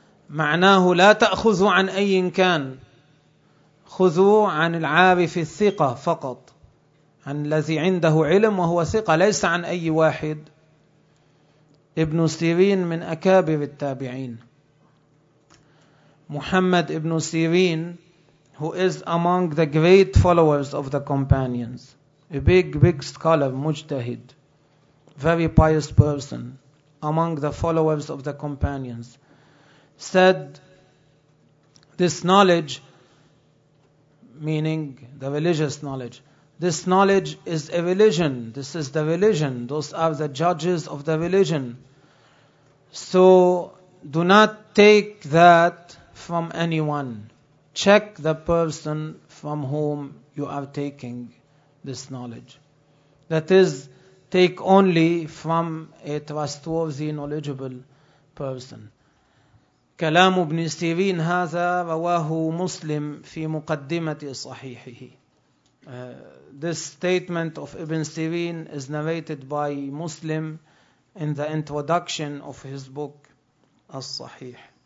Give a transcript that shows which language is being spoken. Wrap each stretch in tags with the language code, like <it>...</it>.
<ar>معناه لا تأخذوا عن أي كان، خذوا عن العارف الثقة فقط، عن الذي عنده علم وهو ثقة، ليس عن أي واحد. ابن سيرين من أكابر التابعين.</ar> <en>محمد ابن سيرين who is among the great followers of the companions, a big scholar, mujtahid, very pious person, among the followers of the companions, said, this knowledge, meaning the religious knowledge, this knowledge is a religion, this is the religion, those are the judges of the religion. So do not take that from anyone. Check the person from whom you are taking this knowledge. That is, take only from a trustworthy, knowledgeable person.</en> <ar>كلام ابن سيرين هذا رواه مسلم في مقدمة صحيحه.</ar> <en>This statement of Ibn Sirin is narrated by Muslim in the introduction of his book As-Sahih.</en>